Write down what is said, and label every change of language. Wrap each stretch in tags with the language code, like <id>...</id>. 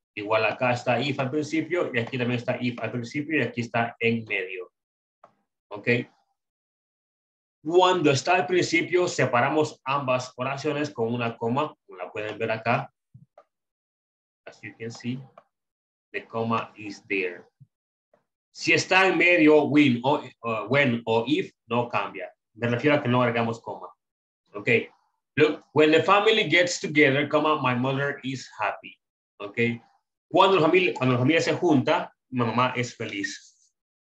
<es>Igual acá está if al principio y aquí también está if al principio y aquí está en medio. Ok. Cuando está al principio, separamos ambas oraciones con una coma, como la pueden ver acá.</es> <en>As you can see, the comma is there.</en> <es>Si está en medio, when o if, no cambia. Me refiero a que no agregamos coma.</es> <en>Ok. Look, when the family gets together, comma, my mother is happy. Ok.</en> <es>Cuando la familia se junta, mi mamá es feliz.</es>